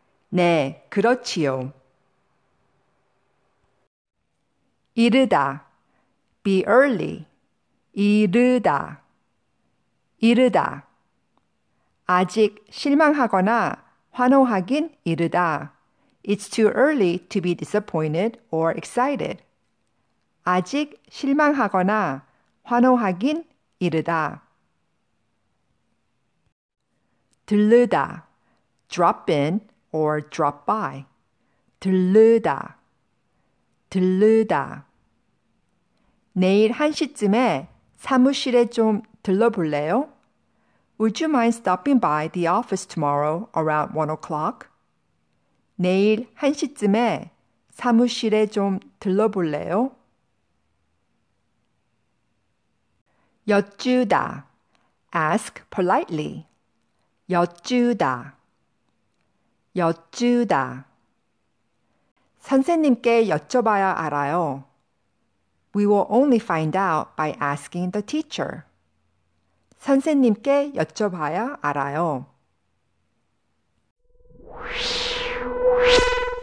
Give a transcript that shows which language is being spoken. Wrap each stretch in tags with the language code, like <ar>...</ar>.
<ko>네, 그렇지요. 이르다.</ko> <en>Be early.</en> <ko>이르다. 이르다. 아직 실망하거나 환호하긴 이르다.</ko> <en>It's too early to be disappointed or excited.</en> <ko>아직 실망하거나 환호하긴 이르다. 들르다.</ko> <en>Drop in or drop by.</en> <ko>들르다. 들르다. 내일 1시쯤에 사무실에 좀 들러볼래요?</ko> <en>Would you mind stopping by the office tomorrow around 1 o'clock?</en> <ko>내일 1시쯤에 사무실에 좀 들러볼래요? 엿주다.</ko> <en>Ask politely.</en> <ko>여쭈다, 여쭈다. 선생님께 여쭤봐야 알아요.</ko> <en>We will only find out by asking the teacher.</en> <ko>선생님께 여쭤봐야 알아요.</ko>